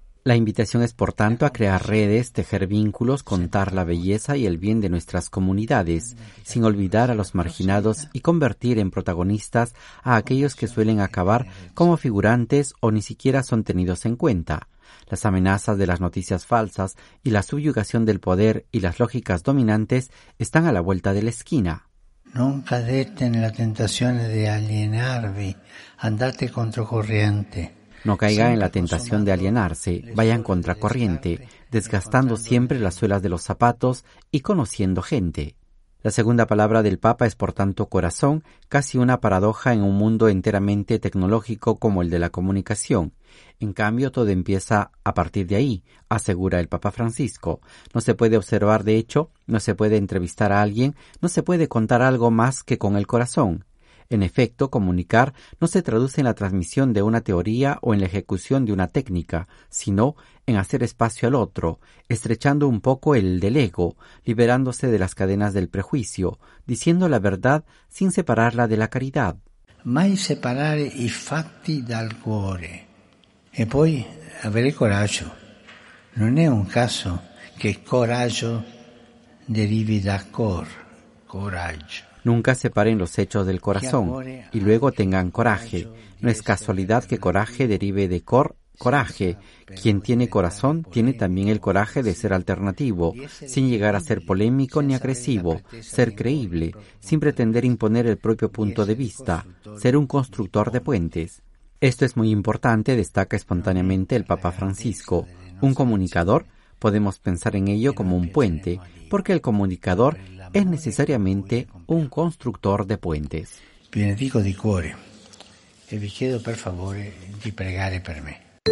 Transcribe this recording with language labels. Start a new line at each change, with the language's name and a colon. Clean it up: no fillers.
Spanish: La invitación es, por tanto, a crear redes, tejer vínculos, contar la belleza y el bien de nuestras comunidades, sin olvidar a los marginados y convertir en protagonistas a aquellos que suelen acabar como figurantes o ni siquiera son tenidos en cuenta. Las amenazas de las noticias falsas y la subyugación del poder y las lógicas dominantes están a la vuelta de la esquina.
Italian: Non cadete nella tentazione di alienarvi, andate controcorriente.
Spanish: No caiga en la tentación de alienarse, vayan contracorriente, desgastando siempre las suelas de los zapatos y conociendo gente. La segunda palabra del Papa es, por tanto, corazón, casi una paradoja en un mundo enteramente tecnológico como el de la comunicación. En cambio, todo empieza a partir de ahí, asegura el Papa Francisco. No se puede observar, de hecho, no se puede entrevistar a alguien, no se puede contar algo más que con el corazón. En efecto, comunicar no se traduce en la transmisión de una teoría o en la ejecución de una técnica, sino en hacer espacio al otro, estrechando un poco el del ego, liberándose de las cadenas del prejuicio, diciendo la verdad sin separarla de la caridad.
Italian: Mai separare i fatti dal cuore e poi avere coraggio. Non è un caso che coraggio derivi da cor, coraggio.
Spanish: Nunca separen los hechos del corazón y luego tengan coraje. No es casualidad que coraje derive de cor, coraje. Quien tiene corazón tiene también el coraje de ser alternativo, sin llegar a ser polémico ni agresivo, ser creíble, sin pretender imponer el propio punto de vista, ser un constructor de puentes. Esto es muy importante, destaca espontáneamente el Papa Francisco. Un comunicador, podemos pensar en ello como un puente, porque el comunicador es necesariamente un constructor de puentes.
Italian: Benedico di cuore e vi chiedo per favore di pregare per me.